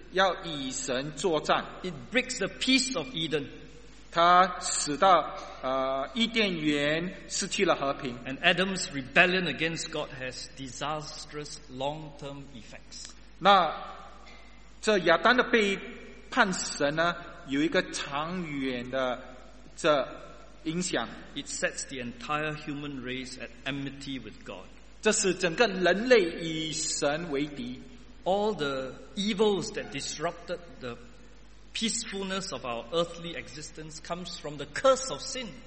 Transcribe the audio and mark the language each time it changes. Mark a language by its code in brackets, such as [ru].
[zh] 亚当的罪就像他向神宣誓要与神作战。 [en] It breaks the peace of Eden. [zh] 他使到伊甸园失去了和平。 [en] And Adam's rebellion against God has disastrous long-term effects. [zh] 那 这亚当的被判神呢，有一个长远的这影响。 [en] It sets the entire human race at enmity with God. [zh] 这使整个人类与神为敌。 [en] All the evils that disrupted the peacefulness of our earthly existence comes from the curse of sin.